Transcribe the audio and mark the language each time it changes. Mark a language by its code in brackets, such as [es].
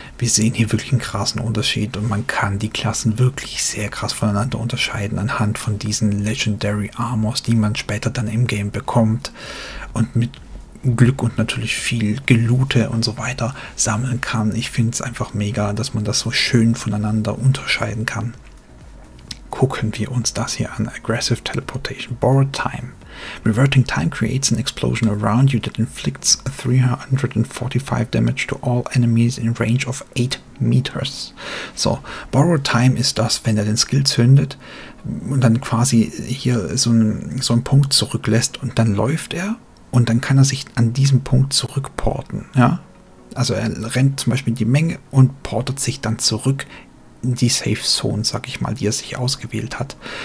[de] Wir sehen hier wirklich einen krassen Unterschied und man kann die Klassen wirklich sehr krass voneinander unterscheiden anhand von diesen Legendary Armors, die man später dann im Game bekommt und mit Glück und natürlich viel Gelute und so weiter sammeln kann. Ich finde es einfach mega, dass man das so schön voneinander unterscheiden kann. Gucken wir uns das hier an. Aggressive Teleportation. Borrowed Time. [en] Reverting Time creates an explosion around you that inflicts 345 damage to all enemies in range of 8 meters. [de] So, Borrowed Time ist das, wenn er den Skill zündet und dann quasi hier so einen Punkt zurücklässt und dann läuft er und dann kann er sich an diesem Punkt zurückporten. Ja? Also er rennt zum Beispiel in die Menge und portet sich dann zurück in die Safe Zone, sag ich mal, die er sich ausgewählt hat.